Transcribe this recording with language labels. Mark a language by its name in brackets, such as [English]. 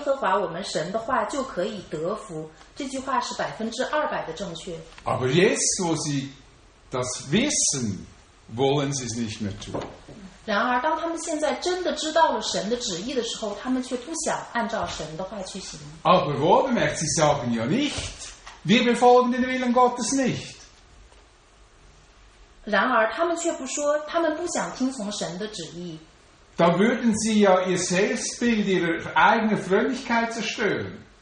[Chinese] 我们听从耶和华我们神的话就可以得福, 这句话是200%的正确。 [German] Aber jetzt, wo sie das wissen, wollen sie es nicht mehr tun. [Chinese] 然而当他们现在真的知道了神的旨意的时候, 他们却不想按照神的话去行。 [German] Aber wohlbemerkt, sie sagen ja nicht, wir befolgen den Willen Gottes nicht. [Chinese] 然而他们却不说他们不想听从神的旨意。 [German] Da würden sie ja ihr Selbstbild, ihre eigene Frömmigkeit zerstören.